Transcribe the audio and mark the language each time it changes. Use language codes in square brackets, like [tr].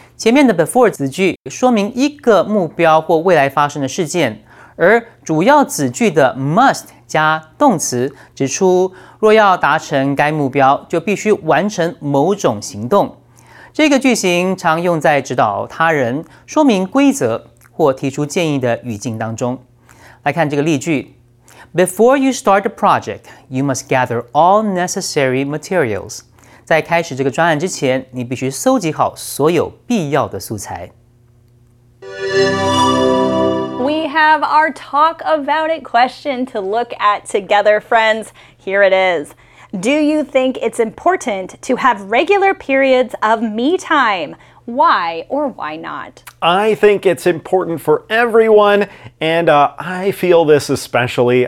[zh] 前面的 before 子句说明一个目标或未来发生的事件，而主要子句的 must 加动词指出若要达成该目标就必须完成某种行动。这个句型常用在指导他人说明规则或提出建议的语境当中。来看这个例句。 [en] Before you start the project, you must gather all necessary materials. [zh] 在开始这个专案之前，你必须搜集好所有必要的素材。 [en] We have our talk about it question to look at together, friends. Here it is. Do you think it's important to have regular periods of me time? Why or why not? I think it's important for everyone, and I feel this especially.